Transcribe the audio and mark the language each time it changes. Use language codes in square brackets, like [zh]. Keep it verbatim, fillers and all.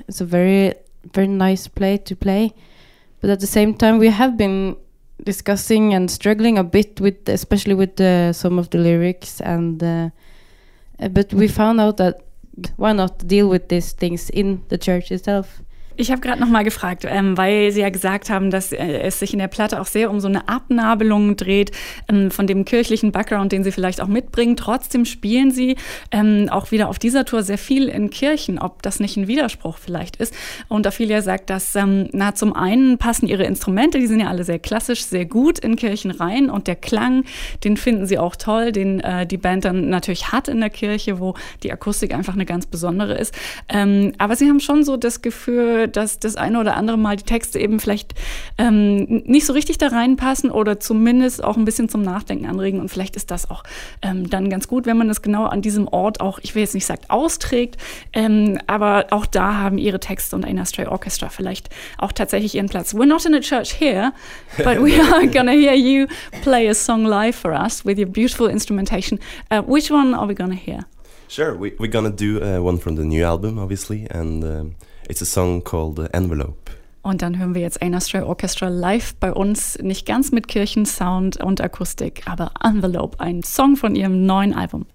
[en] It's a very, very nice play to play. But at the same time we have been discussing and struggling a bit with, especially with uh, some of the lyrics. And uh, but we found out that why not deal with these things in the church itself. [de] Ich habe gerade nochmal gefragt, ähm, weil Sie ja gesagt haben, dass äh, es sich in der Platte auch sehr um so eine Abnabelung dreht, ähm, von dem kirchlichen Background, den Sie vielleicht auch mitbringen. Trotzdem spielen Sie ähm, auch wieder auf dieser Tour sehr viel in Kirchen, ob das nicht ein Widerspruch vielleicht ist. Und Ophelia sagt, dass ähm, na zum einen passen Ihre Instrumente, die sind ja alle sehr klassisch, sehr gut in Kirchen rein. Und der Klang, den finden Sie auch toll, den äh, die Band dann natürlich hat in der Kirche, wo die Akustik einfach eine ganz besondere ist. Ähm, aber Sie haben schon so das Gefühl, dafür, dass das eine oder andere Mal die Texte eben vielleicht ähm, nicht so richtig da reinpassen oder zumindest auch ein bisschen zum Nachdenken anregen. Und vielleicht ist das auch ähm, dann ganz gut, wenn man das genau an diesem Ort auch, ich will jetzt nicht sagen, austrägt, ähm, aber auch da haben ihre Texte und Aina Stray Orchestra vielleicht auch tatsächlich ihren Platz. [en] We're not in a church here, but we are gonna hear you play a song live for us with your beautiful instrumentation. Uh, which one are we gonna hear? Sure, we, we're gonna do uh, one from the new album, obviously, and um, it's a song called uh, Envelope. [de] Und dann hören wir jetzt Aina Stray Orchestra live bei uns, nicht ganz mit Kirchensound und Akustik, aber Envelope, ein Song von ihrem neuen Album.